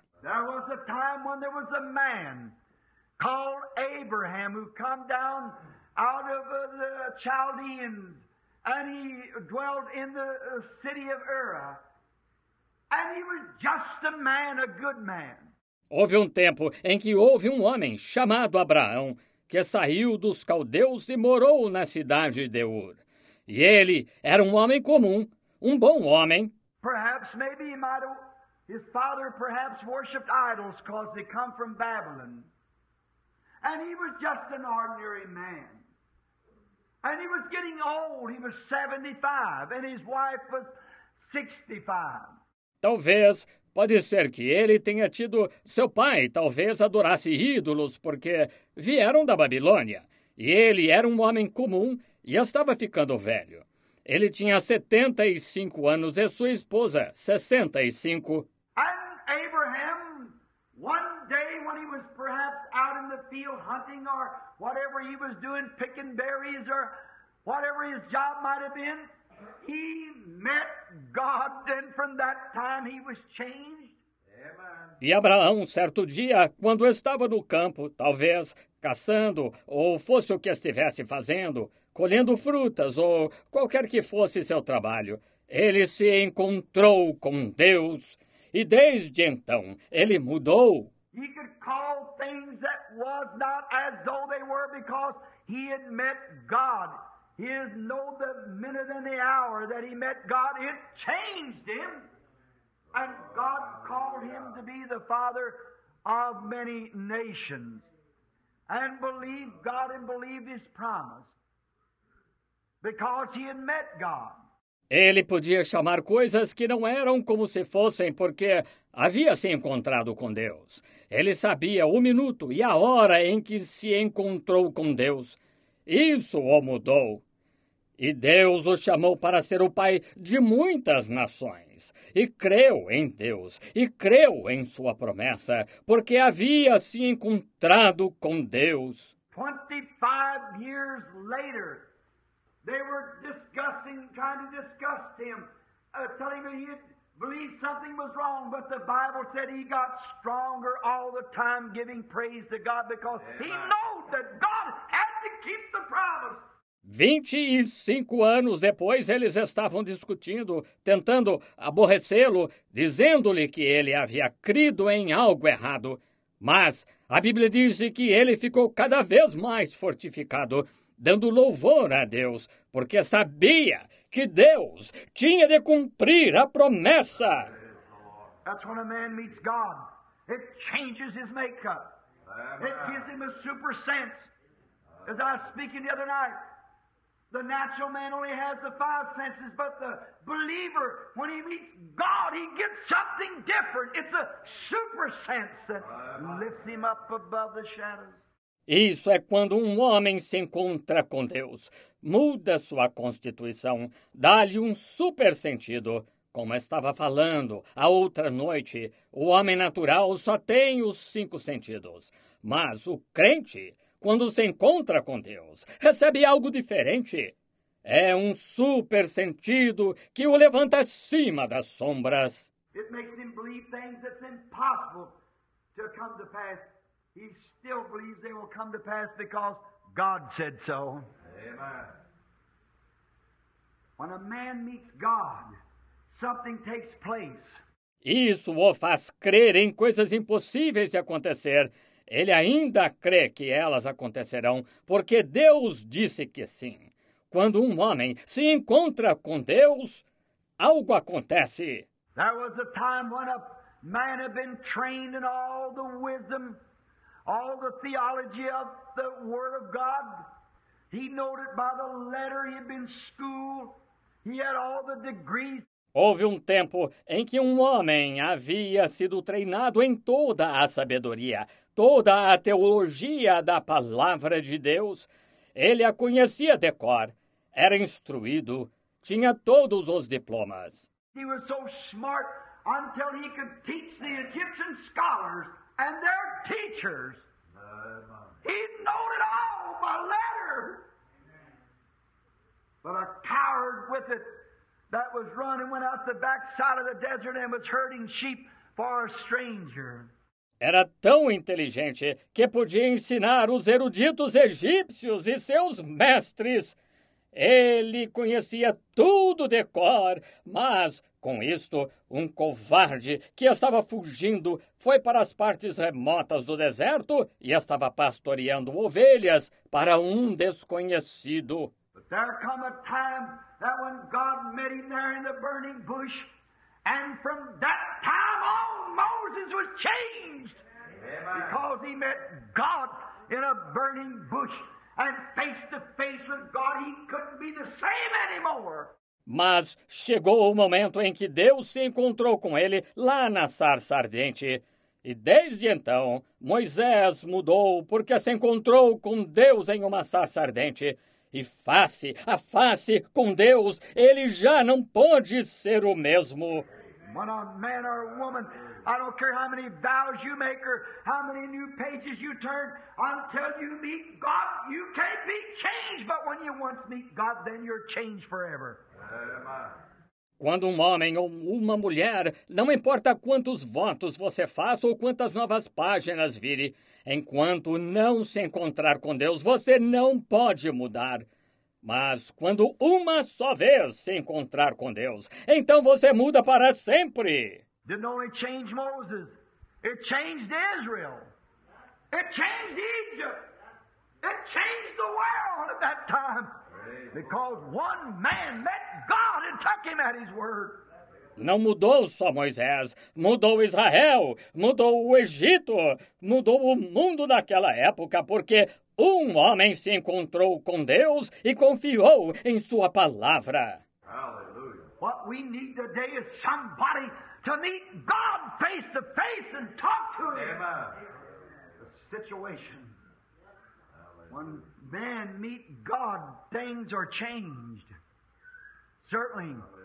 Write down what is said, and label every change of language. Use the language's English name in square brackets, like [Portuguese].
[English] There was a time when there was a man called Abraham who come down out of the Chaldeans and he dwelt in the city of Ur. And he was just a man, a good man. [Portuguese] Houve um tempo em que houve um homem chamado Abraão que saiu dos caldeus e morou na cidade de Ur. E ele era um homem comum, um bom homem. [English] Perhaps maybe he might have... His father perhaps worshipped idols because they come from Babylon. And he was just an ordinary man. And he was getting old. He was 75. And his wife was 65. [Portuguese] Talvez, pode ser que ele tenha tido seu pai. Talvez adorasse ídolos porque vieram da Babilônia. E ele era um homem comum e estava ficando velho. Ele tinha 75 anos e sua esposa, 65. [English] Abraham, one day when he was perhaps out in the field hunting or whatever he was doing, picking berries or whatever his job might have been, he met God, and from that time he was changed. [Portuguese] E Abraão, certo dia, quando estava no campo, talvez caçando, ou fosse o que estivesse fazendo, colhendo frutas, ou qualquer que fosse seu trabalho, ele se encontrou com Deus. E desde então, ele mudou. [English] He could call things that was not as though they were because he had met God. He had known the minute and the hour that he met God. It changed him. And God called him to be the father of many nations. And believed God and believed his promise. Because he had met God. [Portuguese] Ele podia chamar coisas que não eram como se fossem, porque havia se encontrado com Deus. Ele sabia o minuto e a hora em que se encontrou com Deus. Isso o mudou. E Deus o chamou para ser o pai de muitas nações. E creu em Deus, e creu em sua promessa, porque havia se encontrado com Deus. [English] 25 years later, they were discussing, trying to discuss him, telling him he believed something was wrong, but the Bible said he got stronger all the time giving praise to God because he knew that God had to keep the promise. [Portuguese] 25 anos depois, eles estavam discutindo, tentando aborrecê-lo, dizendo-lhe que ele havia crido em algo errado. Mas a Bíblia diz que ele ficou cada vez mais fortificado, dando louvor a Deus, porque sabia que Deus tinha de cumprir a promessa. [English] That's when a man meets God. It changes his makeup. It gives him a super sense. As I was speaking the other night, the natural man only has the 5 senses, but the believer, when he meets God, he gets something different. It's a super sense that lifts him up above the shadows. [Portuguese] Isso é quando um homem se encontra com Deus, muda sua constituição, dá-lhe um super sentido. Como estava falando, a outra noite, o homem natural só tem os 5 sentidos. Mas o crente, quando se encontra com Deus, recebe algo diferente. É um super sentido que o levanta acima das sombras. [English] It makes him believe things that's impossible to come to pass. He still believes they will come to pass because God said so. Amen. When a man meets God, something takes place. [Portuguese] Isso o faz crer em coisas impossíveis de acontecer. Ele ainda crê que elas acontecerão, porque Deus disse que sim. Quando um homem se encontra com Deus, algo acontece. [English] There was a time when a man had been trained in all the wisdom, all the theology of the Word of God. He knowed it by the letter. He had been schooled. He had all the degrees. [Portuguese] Houve um tempo em que um homem havia sido treinado em toda a sabedoria, toda a teologia da palavra de Deus. Ele a conhecia de cor, era instruído, tinha todos os diplomas. [English] He was so smart until he could teach the Egyptian scholars and their teachers. He knew it all by letter. But a coward with it that was running went out the back side of the desert and was herding sheep for a stranger. [Portuguese] Era tão inteligente que podia ensinar os eruditos egípcios e seus mestres. Ele conhecia tudo de cor, mas, com isto, um covarde que estava fugindo foi para as partes remotas do deserto e estava pastoreando ovelhas para um desconhecido. Mas houve um tempo que, quando Deus [English] met him there in the burning bush, and from that time on, Moses was changed. Amen. Because he met God in a burning bush. And face to face with God, he couldn't be the same anymore. [Portuguese] Mas chegou o momento em que Deus se encontrou com ele lá na sarça ardente. E desde então, Moisés mudou porque se encontrou com Deus em uma sarça ardente. E face a face com Deus, ele já não pode ser o mesmo. [English] When a man or a woman, I don't care how many vows you make or how many new pages you turn, until you meet God, you can't be changed. But when you once meet God, then you're changed forever. [Portuguese] Quando homem ou uma mulher, não importa quantos votos você faça ou quantas novas páginas vire, enquanto não se encontrar com Deus, você não pode mudar. Mas quando uma só vez se encontrar com Deus, então você muda para sempre. [English] Didn't only change Moses. It changed Israel. It changed Egypt. It changed the world at that time. Because one man met God and took him at his word. [Portuguese] Não mudou só Moisés, mudou Israel, mudou o Egito, mudou o mundo daquela época, porque um homem se encontrou com Deus e confiou em sua palavra. Aleluia. [English] What we need today is somebody to meet God face to face and talk to him. Amen. The situation. [Portuguese] Aleluia. [English] When men meet God, things are changed. Certainly.